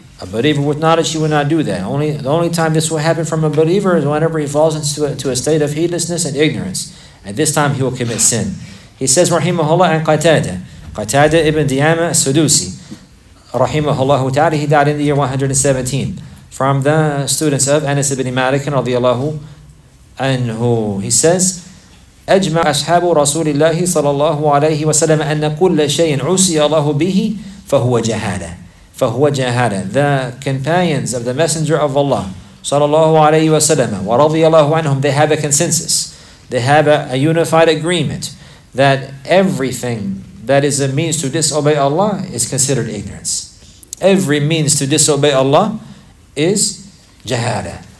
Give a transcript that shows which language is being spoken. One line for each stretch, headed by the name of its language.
English: A believer with knowledge, he would not do that. The only time this will happen from a believer is whenever he falls into a state of heedlessness and ignorance. At this time, he will commit sin. He says, رَحِمَهُ and Qatada ibn Diyama Sudusi, رَحِمَهُ ta'ala, he died in the year 117. From the students of Anas ibn Malik radiyallahu anhu, he says,
Arabic: أجمع أصحاب رسول الله صلى الله عليه وسلم أن كل شيء عصي الله به فهو جهالة. فهو جهالة.
English: The companions of the Messenger of Allah
Arabic: صلى الله عليه وسلم ورضي الله عنهم,
English: they have a consensus, they have a unified agreement that everything that is a means to disobey Allah is considered ignorance. Every means to disobey Allah is jahala.